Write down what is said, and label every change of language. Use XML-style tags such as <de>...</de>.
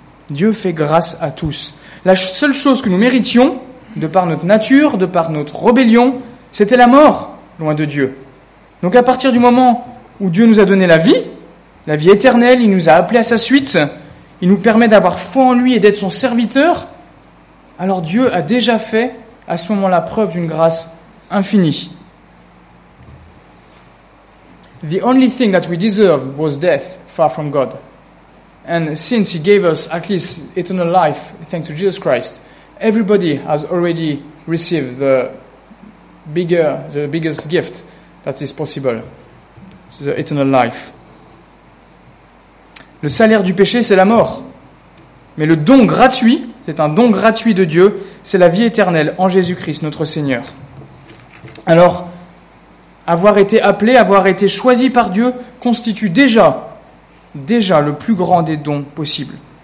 <fr>Dieu fait grâce à tous. La seule chose que nous méritions, de par notre nature, de par notre rébellion, c'était la mort, loin de Dieu. Donc à partir du moment où Dieu nous a donné la vie éternelle, il nous a appelés à sa suite. Il nous permet d'avoir foi en lui et d'être son serviteur. Alors Dieu a déjà fait, à ce moment-là, preuve d'une grâce infinie.</fr> <en>The only thing that we deserve was death, far from God. And since he gave us at least eternal life, thanks to Jesus Christ, everybody has already received the biggest gift that is possible, the eternal life.</en> <fr>Le salaire du péché, c'est la mort. Mais le don gratuit, c'est un don gratuit de Dieu, c'est la vie éternelle en Jésus-Christ, notre Seigneur. Alors, avoir été appelé, avoir été choisi par Dieu, constitue déjà le plus grand des dons possibles.</fr>